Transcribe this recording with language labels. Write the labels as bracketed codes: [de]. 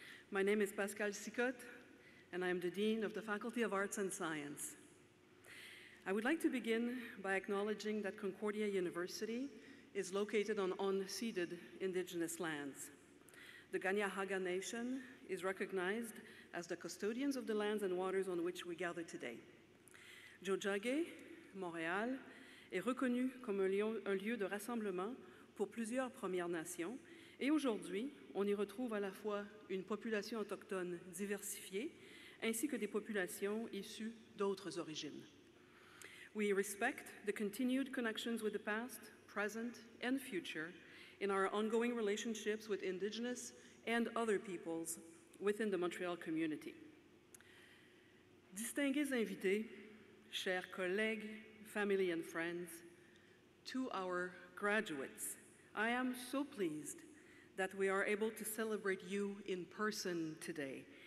[en] My name is Pascal Sicotte, and I am the Dean of the Faculty of Arts and Science. I would like to begin by acknowledging that Concordia University is located on unceded indigenous lands. The Ganyahaga Nation is recognized as the custodians of the lands and waters on which we gather today. [fr] Jojage, Montréal, est reconnu comme un lieu de rassemblement pour plusieurs Premières Nations, et aujourd'hui, on y retrouve à la fois une population autochtone diversifiée, ainsi que des populations issues d'autres origines. [en] We respect the continued connections with the past, present, and future in our ongoing relationships with Indigenous and other peoples within the Montreal community. [fr] Distingués invités, chers collègues, [en] family and friends, to our graduates, I am so pleased that we are able to celebrate you in person today.